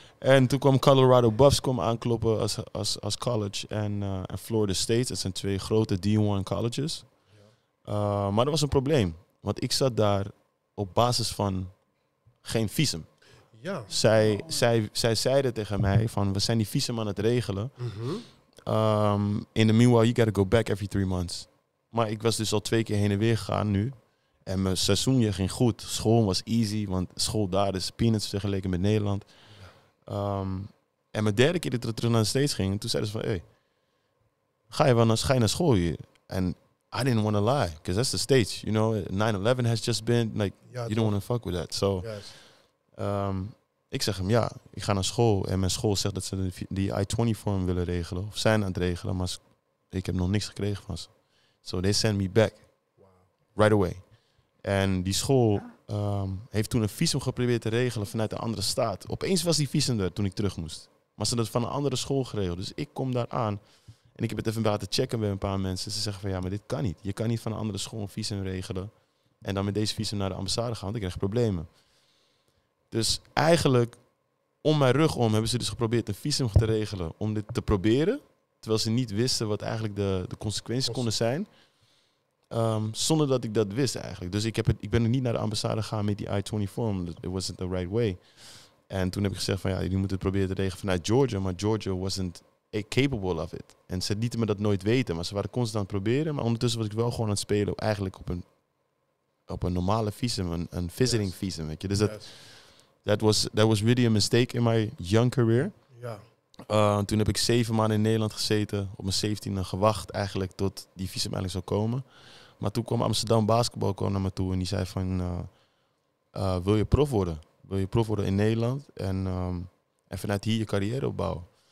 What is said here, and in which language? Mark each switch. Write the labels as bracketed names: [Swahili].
[Dutch] En toen kwam Colorado Buffs aankloppen als college. En Florida State, dat zijn twee grote D1 colleges. Maar dat was een probleem. Want ik zat daar op basis van geen visum. Ja. Zij zeiden tegen mij van, we zijn die visum aan het regelen. Mm-hmm. [English] In the meanwhile, you gotta go back every 3 months. [Dutch] Maar ik was dus al 2 keer heen en weer gegaan nu. En mijn seizoenje ging goed. School was easy, want school daar is peanuts vergeleken met Nederland. Ja. En mijn derde keer dat ik terug naar de States ging, toen zeiden ze van, hey, ga je naar school hier? [English] En I didn't want to lie, because that's the States. You know, 9/11 has just been, you don't want to fuck with that. [Dutch] So, ik zeg hem, ja, ik ga naar school. En mijn school zegt dat ze die I-20 form willen regelen, of zijn aan het regelen, maar ik heb nog niks gekregen van ze. [English] So they send me back. Wow. Right away. [Dutch] En die school heeft toen een visum geprobeerd te regelen vanuit een andere staat. Opeens was die visum er toen ik terug moest. Maar ze hadden het van een andere school geregeld. Dus ik kom daar aan en ik heb het even laten checken bij een paar mensen. Ze zeggen van, ja, maar dit kan niet. Je kan niet van een andere school een visum regelen en dan met deze visum naar de ambassade gaan, want ik krijg problemen. Dus eigenlijk, om mijn rug om, hebben ze dus geprobeerd een visum te regelen om dit te proberen. Terwijl ze niet wisten wat eigenlijk de consequenties konden zijn. Zonder dat ik dat wist eigenlijk. Dus ik ben er niet naar de ambassade gegaan met die I-20 form. [English] It wasn't the right way. [Dutch] En toen heb ik gezegd van, ja, jullie moeten het proberen te regelen vanuit Georgia. Maar Georgia [English] wasn't capable of it. [Dutch] En ze lieten me dat nooit weten. Maar ze waren constant aan het proberen. Maar ondertussen was ik wel gewoon aan het spelen. Eigenlijk op een normale visum. Een visiting visum, weet je. [English] Dus that was really a mistake in my young career. [Dutch] Ja. Toen heb ik 7 maanden in Nederland gezeten. Op mijn 17e gewacht eigenlijk tot die visum eigenlijk zou komen. Maar toen kwam Amsterdam Basketbal naar me toe en die zei van, wil je prof worden? Wil je prof worden in Nederland en vanuit hier je carrière opbouwen?